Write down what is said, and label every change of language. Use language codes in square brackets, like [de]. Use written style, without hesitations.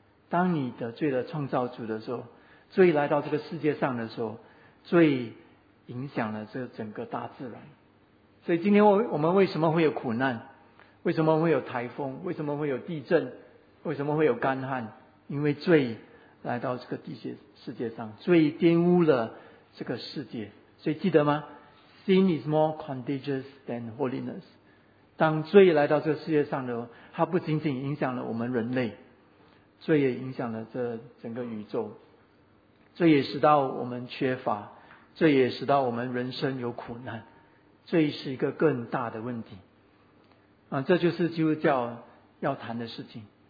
[zh] 当你得罪了创造主的时候，罪来到这个世界上的时候，罪影响了这整个大自然。所以今天我们为什么会有苦难？为什么会有台风？为什么会有地震？为什么会有干旱？因为罪来到这个世界上，罪玷污了这个世界。所以记得吗？ [en] Sin is more contagious than holiness。 [zh] 当罪来到这个世界上的时候，它不仅仅影响了我们人类，罪也影响了这整个宇宙，罪也使到我们缺乏，罪也使到我们人生有苦难，罪是一个更大的问题这就是基督教要谈的事情。